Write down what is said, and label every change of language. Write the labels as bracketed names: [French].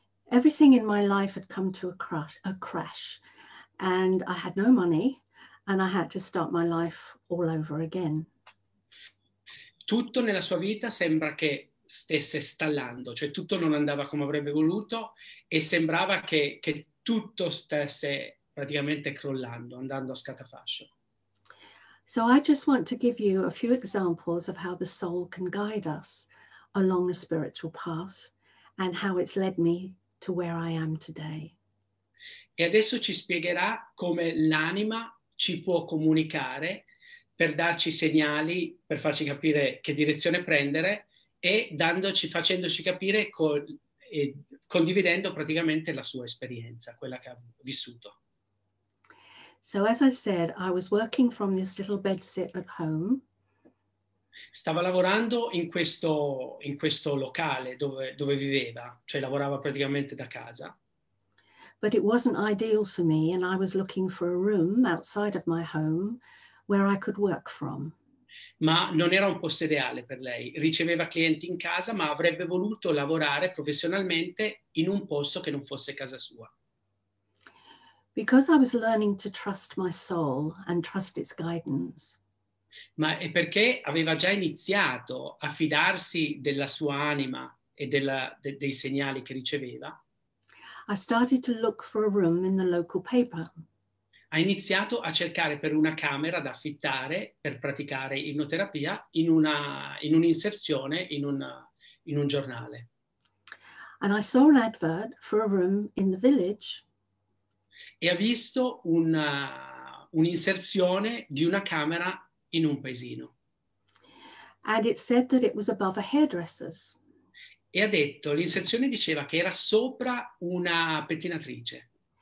[English] Everything in my life had come to a crash, and I had no money, and I had to start my life all over again. [Italian] Tutto nella sua vita sembra che stesse stallando, cioè tutto non andava come avrebbe voluto e sembrava che tutto stesse praticamente crollando, andando a scatafascio. [English] So I just want to give you a few examples of how the soul can guide us along a spiritual path and how it's led me to where I am today. [Italian] E adesso ci spiegherà come l'anima ci può comunicare per darci segnali, per farci capire che direzione prendere e facendoci capire condividendo praticamente la sua esperienza, quella che ha vissuto. [English] So as I said, I was working from this little bedsit at home. [Italian] Stava lavorando in questo locale dove viveva, cioè lavorava praticamente da casa. [English] But it wasn't ideal for me, and I was looking for a room outside of my home where I could work from. [Italian] Ma non era un posto ideale per lei. Riceveva clienti in casa, ma avrebbe voluto lavorare professionalmente in un posto che non fosse casa sua. [English] Because I was learning to trust my soul and trust its guidance. [Italian] Ma è perché aveva già iniziato a fidarsi della sua anima e dei segnali che riceveva. [English] I started to look for a room in the local paper. [Italian] Ha iniziato a cercare per una camera da affittare per praticare ipnoterapia in un'inserzione in un giornale. [English] And I saw an advert for a room in the village. [Italian] E ha visto un'inserzione di una camera in un paesino. [English] And it said that it was above a hairdresser's. [Italian] E ha detto, l'inserzione diceva che era sopra una pettinatrice.